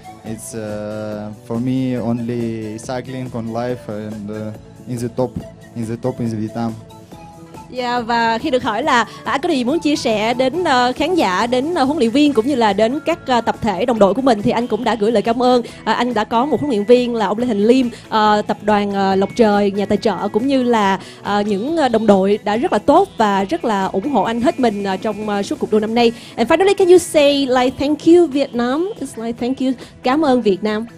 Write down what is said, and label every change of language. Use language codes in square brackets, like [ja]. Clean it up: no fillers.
[en] It's for me only cycling on life and in the top in the Vietnam. [vi] Yeah, và khi được hỏi là anh có gì muốn chia sẻ đến khán giả, đến huấn luyện viên cũng như là đến các tập thể đồng đội của mình, thì anh cũng đã gửi lời cảm ơn. Anh đã có một huấn luyện viên là ông Lê Hình Liêm, tập đoàn Lộc Trời, nhà tài trợ, cũng như là những đồng đội đã rất là tốt và rất là ủng hộ anh hết mình trong suốt cuộc đua năm nay. [en] And finally, can you say like thank you Vietnam? It's like thank you, [vi] cảm ơn Việt Nam.